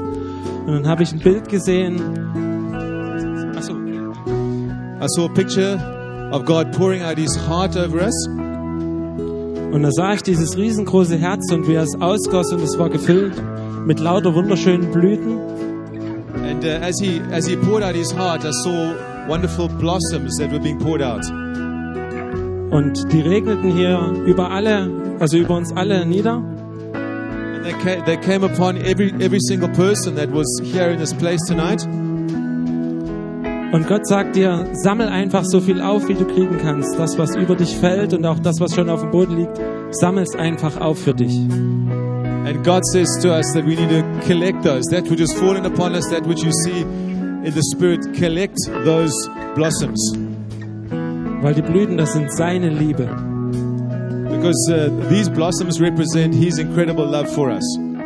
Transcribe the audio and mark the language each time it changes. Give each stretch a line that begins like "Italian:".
German: Und dann habe ich ein Bild gesehen. Achso.
English: I saw a picture of God pouring out his heart over us.
German: Und da sah ich dieses riesengroße Herz und wie er es ausgoss und es war gefüllt mit lauter wunderschönen Blüten.
English: And as he poured out his heart, I saw wonderful blossoms that were being poured out.
German: Und die regneten hier über alle, also über uns alle nieder.
English: And they came upon every single person that was here in this place tonight.
German: Und Gott sagt dir, sammel einfach so viel auf, wie du kriegen kannst. Das, was über dich fällt und auch das, was schon auf dem Boden liegt, sammel es einfach auf für dich.
English: And God says to us that we need to collect those, that which has fallen upon us, that which you see in the Spirit, collect those blossoms.
German: Weil die Blüten, das sind seine Liebe.
English: Because these blossoms represent his incredible love for us.